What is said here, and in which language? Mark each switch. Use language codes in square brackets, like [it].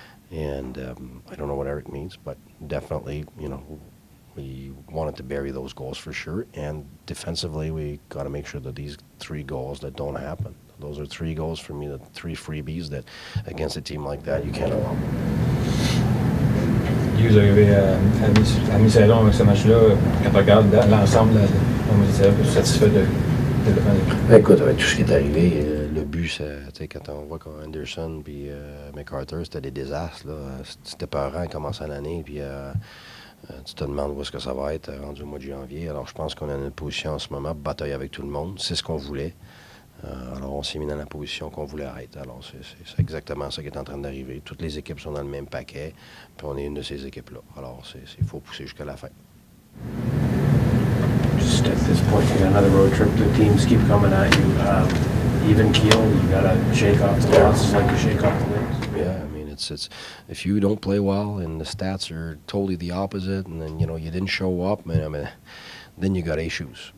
[en] And I don't know what Eric means, but definitely, you know, we wanted to bury those goals for sure. And defensively, we got to make sure that these three goals that don't happen. Those are three goals for me, the three freebies that against a team like that, you can't allow. You [fr] vous arrivez à mi-saison avec ce match-là, quand on regarde l'ensemble, comment vous êtes satisfait de défendre? Ben, écoute, avec tout ce qui est arrivé, le but, ça, quand on voit qu'Anderson et MacArthur, c'était des désastres. Là. C'était peurant de commencer l'année. Puis, tu te demandes où est-ce que ça va être rendu au mois de janvier. Alors, je pense qu'on est dans une position en ce moment, bataille avec tout le monde. C'est ce qu'on voulait. Alors, on s'est mis dans la position qu'on voulait être. Alors, c'est exactement ça qui est en train d'arriver. Toutes les équipes sont dans le même paquet, puis on est une de ces équipes-là. Alors, il faut pousser jusqu'à la fin. [en] Just at this point, you got another road trip. The teams keep coming at you. Even keel, you got to shake off the losses like you shake off the wins. It's if you don't play well and the stats are totally the opposite, and then you know you didn't show up, and I mean, then you got issues.